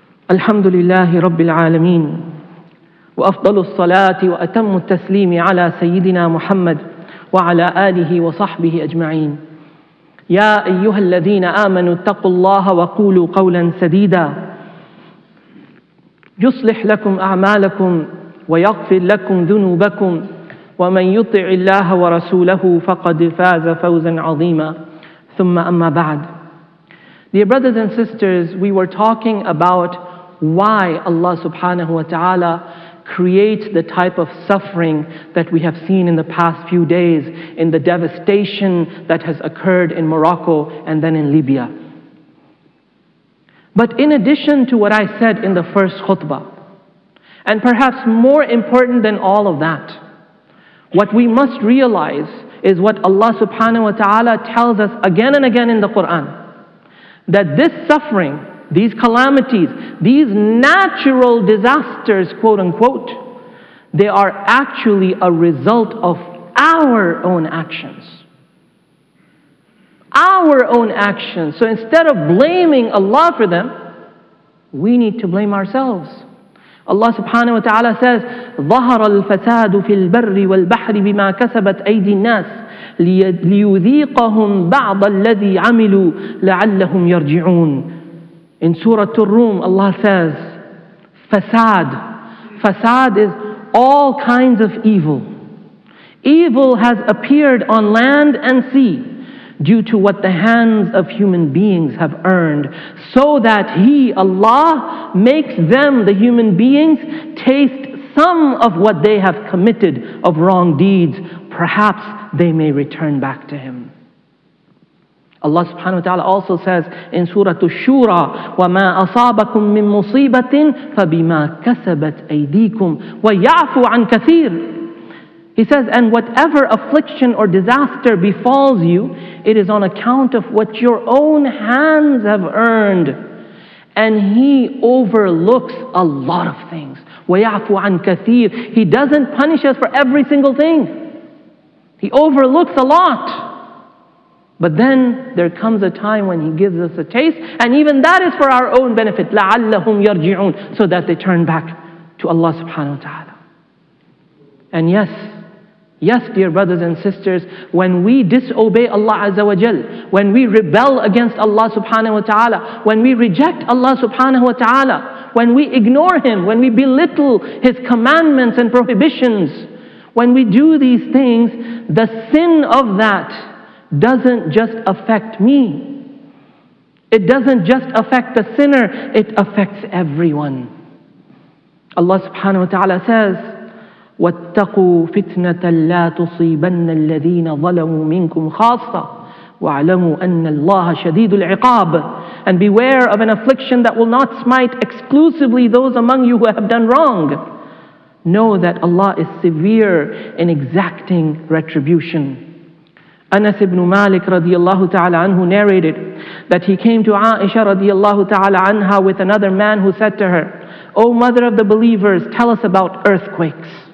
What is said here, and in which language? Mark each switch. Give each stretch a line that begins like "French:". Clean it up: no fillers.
Arabic: الحمد لله رب العالمين وأفضل الصلاة وأتم التسليم على سيدنا محمد وعلى آله وصحبه أجمعين يا أيها الذين آمنوا اتقوا الله وقولوا قولا سديدا يصلح لكم أعمالكم ويغفر لكم ذنوبكم ومن يطع الله ورسوله فقد فاز فوزا عظيما ثم أما بعد.
English: Dear brothers and sisters, we were talking about why Allah subhanahu wa ta'ala creates the type of suffering that we have seen in the past few days in the devastation that has occurred in Morocco and then in Libya. But in addition to what I said in the first khutbah, and perhaps more important than all of that, what we must realize is what Allah subhanahu wa ta'ala tells us again and again in the Quran, that this suffering, these calamities, these natural disasters, quote unquote, they are actually a result of our own actions. Our own actions. So instead of blaming Allah for them, we need to blame ourselves. Allah subhanahu wa ta'ala says,
Arabic: ظهر الفساد في البر والبحر بما كسبت أيدي الناس ليذيقهم بعض الذي عملوا لعلهم يرجعون.
English: In Surah Ar-Rum, Allah says, Fasad. Fasad is all kinds of evil. Evil has appeared on land and sea due to what the hands of human beings have earned, so that He, Allah, makes them, the human beings, taste some of what they have committed of wrong deeds. Perhaps they may return back to Him. Allah subhanahu wa ta'ala also says in Surah Ash-Shura,
Arabic: وَمَا أَصَابَكُم مِّن مُصِيبَةٍ فَبِمَا كَسَبَتْ أَيْدِيكُمْ وَيَعْفُ عَن كَثِيرٍ.
English: He says, and whatever affliction or disaster befalls you, it is on account of what your own hands have earned. And He overlooks a lot of things.
Arabic: وَيَعْفُ عَن كَثِيرٍ.
English: He doesn't punish us for every single thing. He overlooks a lot. But then there comes a time when He gives us a taste, and even that is for our own benefit.
Arabic: لَعَلَّهُمْ يَرْجِعُونَ.
English: So that they turn back to Allah subhanahu wa ta'ala. And yes, yes, dear brothers and sisters, when we disobey Allah azza wa jal, when we rebel against Allah subhanahu wa ta'ala, when we reject Allah subhanahu wa ta'ala, when we ignore Him, when we belittle His commandments and prohibitions, when we do these things, the sin of that doesn't just affect me. It doesn't just affect the sinner, it affects everyone. Allah subhanahu wa ta'ala says,
Arabic: وَاتَّقُوا فِتْنَةً لَا تُصِيبَنَّ الَّذِينَ ظَلَمُوا مِنْكُمْ خَاصَّةً وَعْلَمُوا أَنَّ اللَّهَ شَدِيدُ الْعِقَابِ.
English: And beware of an affliction that will not smite exclusively those among you who have done wrong. Know that Allah is severe in exacting retribution. Anas ibn Malik radiallahu ta'ala anhu narrated that he came to Aisha radiallahu ta'ala anha with another man who said to her, O mother of the believers, tell us about earthquakes.